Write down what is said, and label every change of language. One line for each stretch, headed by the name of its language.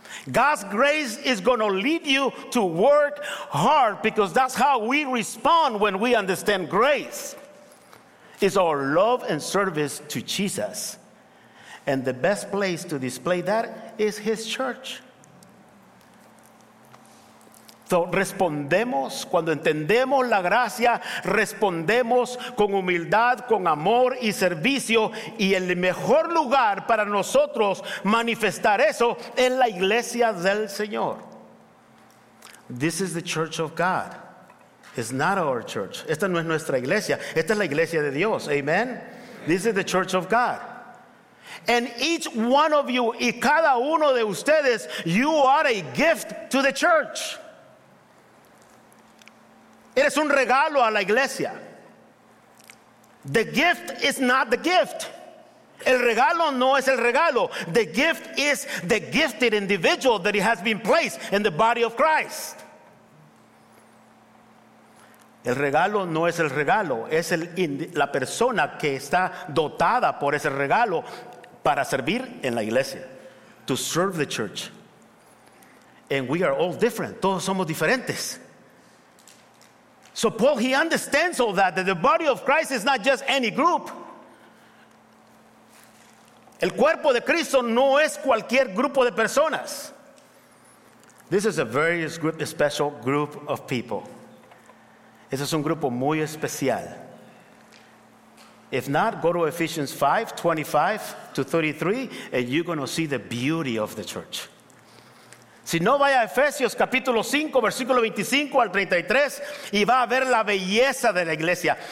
English: God's grace is going to lead you to work hard, because that's how we respond when we understand grace. It's our love and service to Jesus. And the best place to display that is his church.
Spanish: So respondemos cuando entendemos la gracia, respondemos con humildad, con amor y servicio, y el mejor lugar para nosotros manifestar eso es la iglesia del Señor.
English: This is the church of God. It's not our church.
Spanish: Esta no es nuestra iglesia. Esta es la iglesia de Dios. Amen.
English: This is the church of God. And each one of you,
Spanish: y cada uno de ustedes,
English: you are a gift to the church.
Spanish: Eres un regalo a la iglesia.
English: The gift is not the gift.
Spanish: El regalo no es el regalo.
English: The gift is the gifted individual that has been placed in the body of Christ.
Spanish: El regalo no es el regalo. Es la persona que está dotada por ese regalo para servir en la iglesia.
English: To serve the church. And we are all different.
Spanish: Todos somos diferentes.
English: So Paul, he understands all that the body of Christ is not just any group.
Spanish: El cuerpo de Cristo no es cualquier grupo de personas.
English: This is a very special group of people.
Spanish: Ese es un grupo muy especial.
English: If not, go to Ephesians 5, 25 to 33, and you're going to see the beauty of the church.
Spanish: Si no, vaya a Efesios capítulo 5, versículo 25 al 33, y va a ver la belleza de la iglesia.